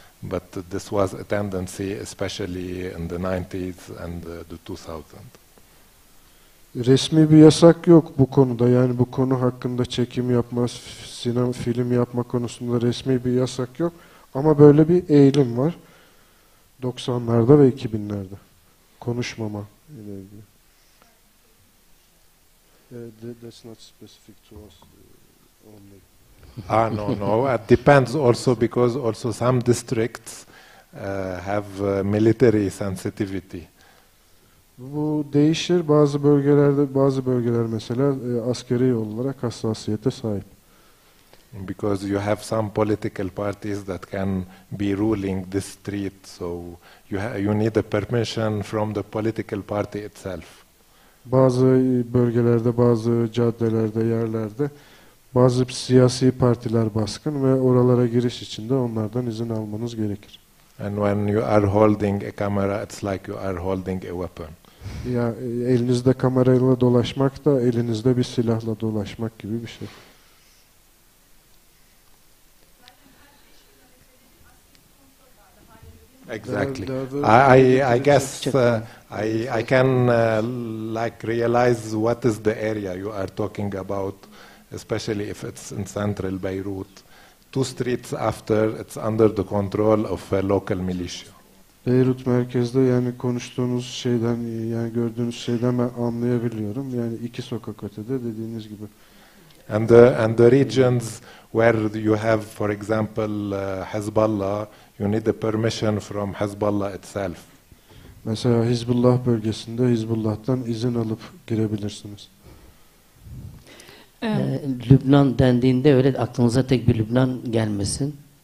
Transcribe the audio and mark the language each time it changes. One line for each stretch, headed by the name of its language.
English: But this was a tendency especially in the 90s and the 2000s.
Turkish: Resmi bir yasak yok bu konuda, yani bu konu hakkında çekim yapma, film yapma konusunda resmi bir yasak yok. Ama böyle bir eğilim var 90'larda ve 2000'lerde. Konuşmama ile ilgili.
English: That's not specific to us only. Ah, no, no. It depends also because also some districts have military sensitivity.
Turkish: Bu değişir. Bazı bölgeler mesela askeri olarak hassasiyete sahip.
English: Because you have some political parties that can be ruling this street, so you need a permission from the political party itself.
Turkish: Bazı bölgelerde, bazı caddelerde, yerlerde bazı siyasi partiler baskın ve oralara giriş için de onlardan izin almanız gerekir.
English: And when you are holding a camera, it's like you are holding a weapon.
Turkish: Ya elinizde kamerayla dolaşmak da elinizde bir silahla dolaşmak gibi bir şey.
English: Exactly. I guess I can realize what is the area you are talking about, especially if it's in central Beirut. Two streets after, it's under the control of a local militia.
Turkish: Beyrut merkezde yani konuştuğunuz şeyden yani gördüğünüz şeyden ben anlayabiliyorum. Yani iki sokak ötede dediğiniz gibi.
English: And the regions where you have, for example, Hezbollah, you need the permission from Hezbollah itself.
Turkish: Mesela Hizbullah bölgesinde Hizbullah'tan izin alıp girebilirsiniz. Lübnan dendiğinde öyle aklınıza tek bir Lübnan gelmesin.